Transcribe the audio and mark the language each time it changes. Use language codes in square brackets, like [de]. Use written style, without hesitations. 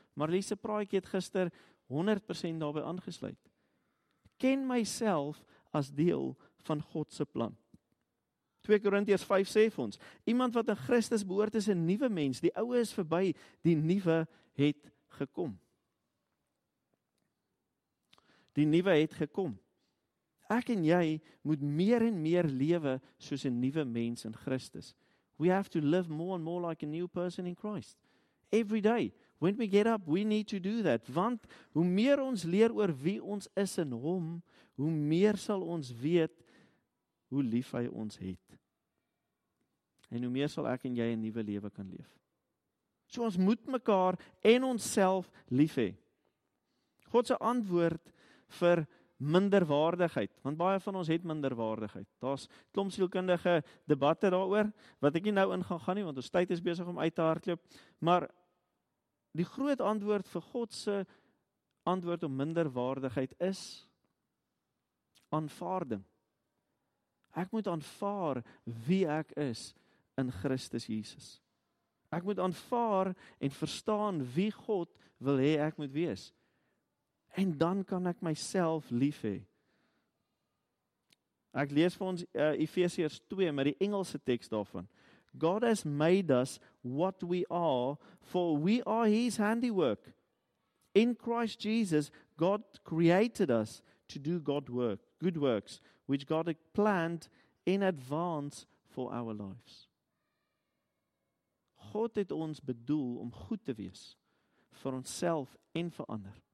[af] Marlies se praatjie het gister 100% daarbij aangesluit. Ken myself as deel van God se plan. 2 Korintiërs 5 sê vir ons, iemand wat in Christus behoort is 'n nuwe mens, die ouwe is verby, die nuwe het gekom. Die nuwe het gekom. Ek en jy moet meer en meer lewe soos 'n nuwe mens in Christus. [en] We have to live more and more like a new person in Christ. Every day, when we get up, we need to do that. [af] Want hoe meer ons leer oor wie ons is in hom, hoe meer sal ons weet hoe lief hy ons het. En hoe meer sal ek en jy 'n nuwe lewe kan leef. So ons moet mekaar en onsself lief hê. God se antwoord vir minderwaardigheid, want baie van ons het minderwaardigheid. Daar's klomp sielkundige debatte daaroor, wat ek nie nou ingaan gaan nie, want ons tyd is besig om uit te hardloop, maar die groot antwoord vir God se antwoord op minderwaardigheid is aanvaarding. Ek moet aanvaar wie ek is in Christus Jesus. Ek moet aanvaar en verstaan wie God wil hê ek moet wees. En dan kan ek myself lief hê. Ek lees vir ons Efesiërs 2, maar die Engelse tekst daarvan. [en] God has made us what we are, for we are his handiwork. In Christ Jesus, God created us to do good works, which God had planned in advance for our lives. [af] God het ons bedoel om goed te wees vir onsself en vir ander.